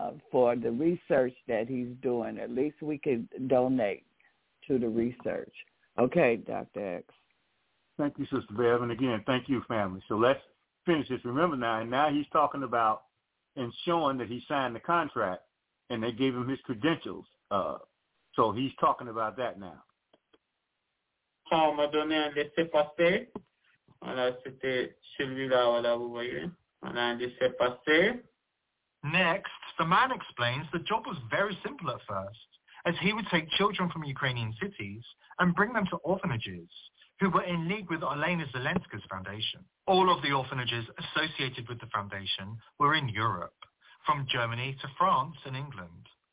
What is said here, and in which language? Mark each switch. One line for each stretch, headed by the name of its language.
English: For the research that he's doing, at least we could donate to the research. Okay, Dr. X. Thank you, Sister Bev, and again, thank you, family. So let's finish this. Remember now, and now he's talking about and showing that he signed the contract and they gave him his credentials. So he's talking about that now.
French: Quand on m'a donné un laissez-passer, voilà, c'était celui-là, voilà, vous voyez. On a un laissez-passer.
English: Next, the man explains the job was very simple at first, as he would take children from Ukrainian cities and bring them to orphanages who were in league with Olena Zelenska's foundation. All of the orphanages associated with the foundation were in Europe, from Germany to France and England.